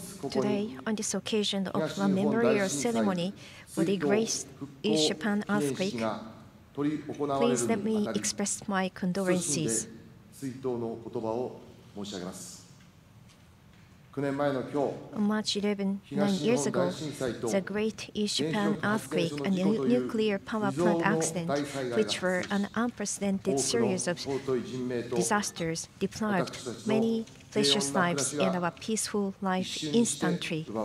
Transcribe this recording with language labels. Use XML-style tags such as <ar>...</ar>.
<en>Today, on this occasion of a memorial ceremony for the Great East Japan Earthquake, please let me express my condolences.</en> <ja>追悼の言葉を申し上げます。 9年前の今日、</ja> <en>On March 11, 9 years ago, the Great East Japan Earthquake and the nuclear power plant accident, which were an unprecedented series of disasters, deprived many precious lives and our peaceful life instantly.</en>